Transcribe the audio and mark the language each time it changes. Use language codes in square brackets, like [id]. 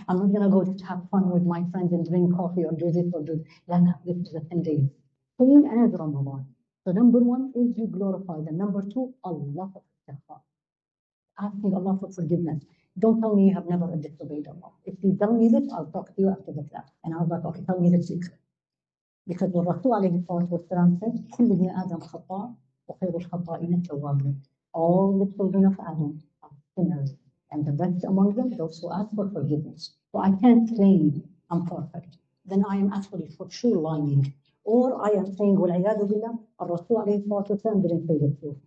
[en] I'm not going to go to have fun with my friends and drink coffee or do this or do that. This is the 10 days. Same as Ramadan. So number one is you glorify them. Number two, Allah istighfar. Asking Allah for forgiveness. Don't tell me you have never disobeyed Allah. If you tell me this, I'll talk to you after the class. And I was like, okay, tell me the secret. Because the Rasul alayhi salatu wasalam said, [ar] كل ابن آدم خطاء وخير الخطاء إن التواب. [en] All the children of Adam are sinners. And the best among them, those who ask for forgiveness. So I can't claim I'm perfect. Then I am actually for sure lying. Or I am saying, [ar] وَالْعِيَادُ بِاللَّهِ الرَّسُولُ عَلَيْهِ الصَّلَاةُ وَالسَّلَامُ [en] didn't say this too.